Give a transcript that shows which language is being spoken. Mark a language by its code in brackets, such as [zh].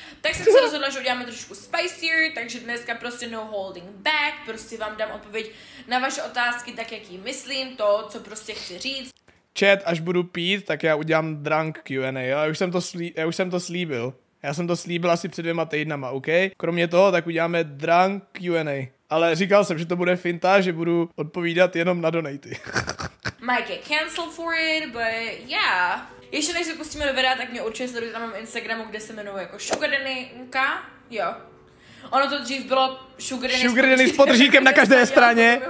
[cs] Tak jsem se rozhodla, že uděláme trošku spicier, takže dneska prostě [en] no holding back, [cs] prostě vám dám odpověď na vaše otázky, tak jak jí myslím, to, co prostě chci říct. Chat, až budu pít, tak já udělám [en] drunk Q&A, [cs] jo? Já už jsem to slíbil. Já jsem to slíbil asi před 2 týdnama, ok? Kromě toho, tak uděláme [en] drunk Q&A. [cs] Ale říkal jsem, že to bude finta, že budu odpovídat jenom na donaty. [en] Might get cancelled for it, but yeah. [cs] Ještě než se pustíme do videa, tak mě určitě sledujte, tam mám Instagramu, kde se jmenuje jako Sugardennyka. Jo. Ono to dřív bylo Sugardenny s podržítkem na každé straně.